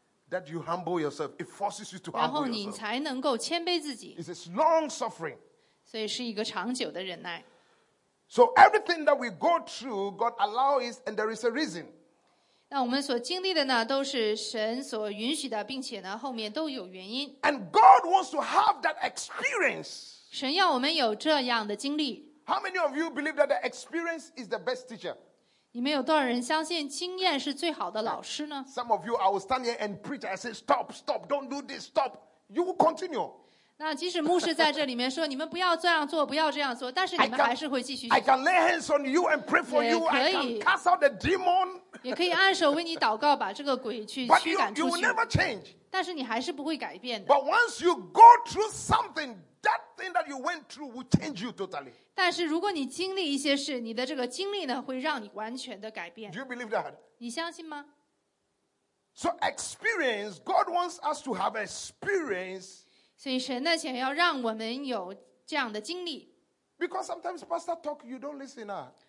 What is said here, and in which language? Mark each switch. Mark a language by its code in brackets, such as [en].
[en] that you humble yourself， it forces you to humble yourself， [zh] 然后你才能够谦卑自己， [en] it is long suffering， [zh] 所以是一个长久的忍耐。 [en] So everything that we go through God allows and there is a reason。 [zh] 那我们所经历的呢，都是神所允许的，并且呢，后面都有原因。 [en] And God wants to have that experience. [zh] 神要我们有这样的经历。 [en] How many of you believe that the experience is the best teacher? [zh] 你们有多少人相信经验是最好的老师呢？ [en] Some of you, I will stand here and preach. I say, stop, stop, don't do this, stop. You will continue. [zh] 那即使牧师在这里面说你们不要这样做，不要这样做，但是你们还是会继续。 [en] I can lay hands on you and pray for you. I can cast out the demon. [zh] 也可以按手为你祷告，把这个鬼去驱赶出去。 [en] But you will never change. [zh] 但是你还是不会改变的。 [en] But once you go through something, that thing that you went through will change you totally. [zh] 但是如果你经历一些事，你的这个经历呢，会让你完全的改变。 [en] Do you believe that? [zh] 你相信吗？ [en] So experience, God wants us to have experience. [zh] 所以神呢，想要让我们有这样的经历。 [en] Because sometimes pastor talk, you don't listen.